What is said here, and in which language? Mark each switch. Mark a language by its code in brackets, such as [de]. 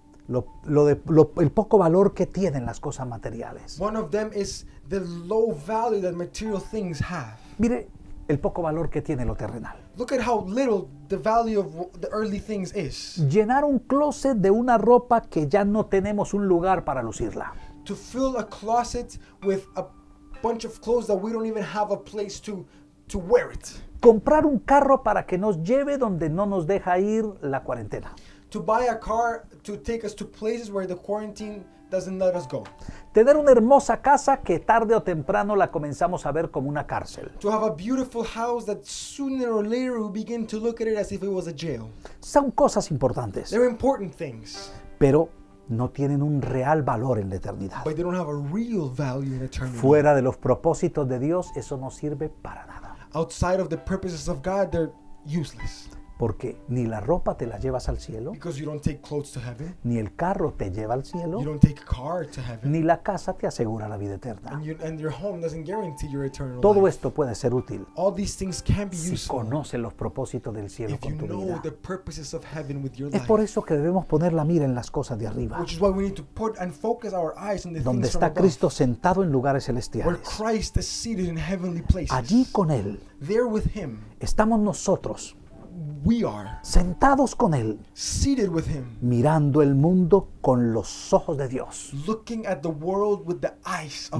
[es] el poco valor que tienen las cosas materiales. [en] One of them is the low value that material things have. [es] Mire el poco valor que tiene lo terrenal. [en] Look at how little the value of the earthly things is. [es] Llenar un closet de una ropa que ya no tenemos un lugar para lucirla. [en] To fill a closet with a bunch of clothes that we don't even have a place to wear it. [es] Comprar un carro para que nos lleve donde no nos deja ir la cuarentena. [en] To buy a car to take us to places where the quarantine doesn't let us go. [es] Tener una hermosa casa que tarde o temprano la comenzamos a ver como una cárcel. [en] To have a beautiful house that sooner or later we begin to look at it as if it was a jail. [es] Son cosas importantes. [en] They're important things. [es] Pero no tienen un real valor en la eternidad. [en] But they don't have a real value in eternity. [es] Fuera de los propósitos de Dios, eso no sirve para nada. [en] Outside of the purposes of God, they're useless. [es] Porque ni la ropa te la llevas al cielo. [en] Because you don't take clothes to heaven. [es] Ni el carro te lleva al cielo. [en] You don't take a car to heaven. [es] Ni la casa te asegura la vida eterna. [en] And your home doesn't guarantee your eternal life. [es] Todo esto puede ser útil. [en] All these things can be useful. [es] Si conoces los propósitos del cielo con tu vida. [en] If you know the purposes of heaven with your life. [es] Es por eso que debemos poner la mira en las cosas de arriba. [en] Which is why we need to put and focus our eyes on the things from above. [es] Donde está Cristo sentado en lugares celestiales. [en] Where Christ is seated in heavenly places. [es] Allí con él. [en] There with him. [es] Estamos nosotros. [en] We are [es] sentados con él, [en] seated with him, [es] mirando el mundo con los ojos de Dios, [en] looking at the world with the eyes of